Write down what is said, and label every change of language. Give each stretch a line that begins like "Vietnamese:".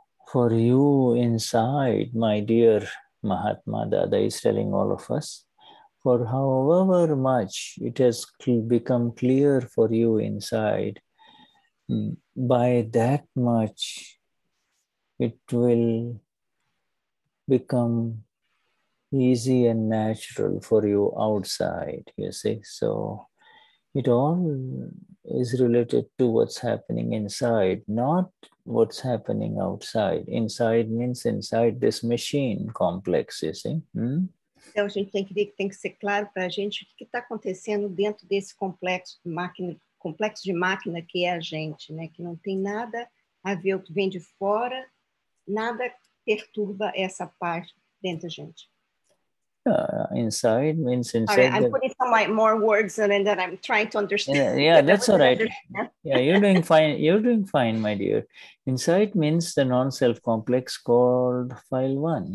English: for you inside, my dear Mahatma, Dada is telling all of us, for however much it has become clear for you inside, by that much it will become easy and natural for you outside, you see. So it all is related to what's happening inside, not what's happening outside. Inside means inside this machine complex, you see.
Portuguese: Então a gente tem que ser claro para a gente o que está acontecendo dentro desse complexo de máquina que é a gente, né? Que não tem nada a ver o que vem de fora, nada perturba essa parte dentro da gente.
English: Inside means inside. All right, I'm putting some more words in, and then I'm trying to understand. Yeah, that's all right. Yeah, you're doing fine. You're doing fine, my dear. Inside means the non-self complex called file one.